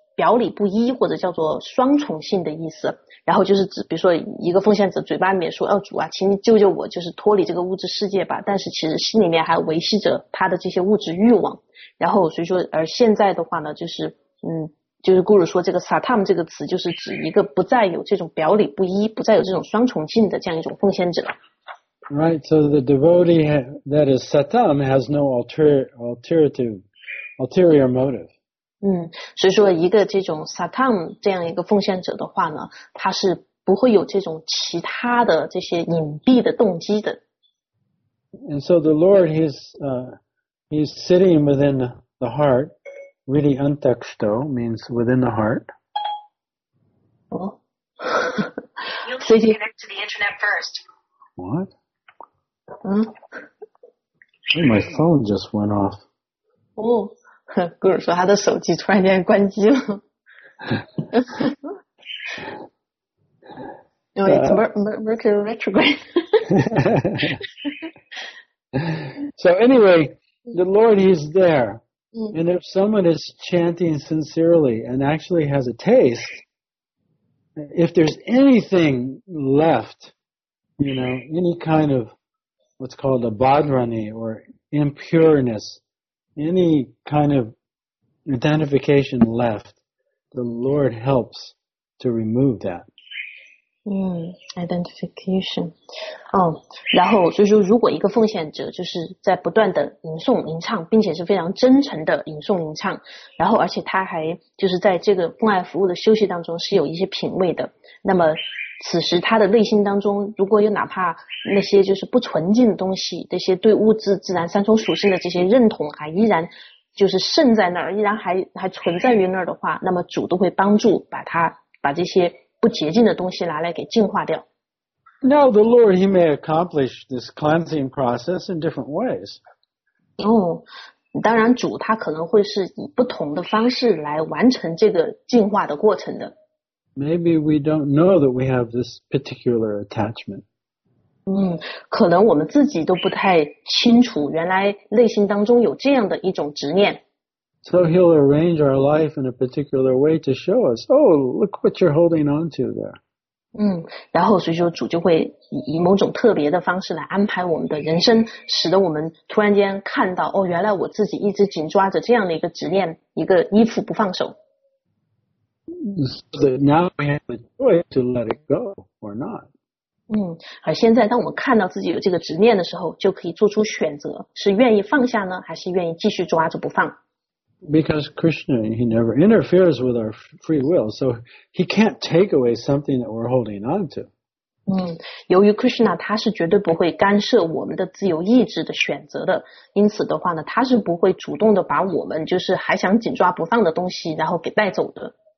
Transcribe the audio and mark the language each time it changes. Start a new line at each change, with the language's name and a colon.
Chinese: 表里不一，或者叫做双重性的意思。然后就是指，比如说一个奉献者嘴巴里面说，哦，主啊，请你救救我，就是脱离这个物质世界吧，但是其实心里面还维系着他的这些物质欲望。然后所以说，而现在的话呢，就是就是故事说这个 Satam 这个词，就是指一个不再有这种表里不一，不再有这种双重性的这样一种奉献者。
English: Right, so the devotee that is Satam has no ulterior motive.
Chinese: 所以说一个这种 Satam 这样一个奉献者的话呢，他是不会有这种其他的这些隐蔽的动机的。
English: And so the Lord, he's sitting within the heart, really antakshto means within the heart. You can connect to the internet first. What? My phone just went off.
Chinese: Oh, Guru 说他的手机突然间关机了。
English: No, it's Mercury retrograde. So anyway, the Lord is there. And if someone is chanting sincerely and actually has a taste, if there's anything left, you know, any kind of what's called a bhadrani or impureness, any kind of identification left, the Lord helps to remove that. Identification.
Chinese: 然后就是如果一个奉献者就是在不断的吟诵吟唱，并且是非常真诚的吟诵吟唱，然后而且他还就是在这个奉爱服务的休息当中是有一些品味的，那么此时他的内心当中如果有哪怕那些就是不纯净的东西，这些对物质自然三重属性的这些认同还依然就是剩在那儿，依然还存在于那儿的话，那么主都会帮助把这些不洁净的东西拿来给净化掉。
English: Now the Lord, he may accomplish this cleansing process in different ways.
Chinese: 当然主他可能会是以不同的方式来完成这个净化的过程的。
English: Maybe we don't know that we have this particular attachment.
Chinese: 可能我们自己都不太清楚原来内心当中有这样的一种执念。
English: So he'll arrange our life in a particular way to show us, oh, look what you're holding on to there.
Chinese: 然后所以说主就会以某种特别的方式来安排我们的人生，使得我们突然间看到，哦，原来我自己一直紧抓着这样的一个执念，一个依附不放手。
English: So that now we have the choice to let it go or not.
Chinese: 而现在当我们看到自己有这个执念的时候，就可以做出选择，是愿意放下呢，还是愿意继续抓着不放。
English: Because Krishna, he never interferes with our free will, so he can't take away something that we're holding on to.
Chinese: 由于 Krishna 他是绝对不会干涉我们的自由意志的选择的，因此的话呢，他是不会主动的把我们就是还想紧抓不放的东西然后给带走的。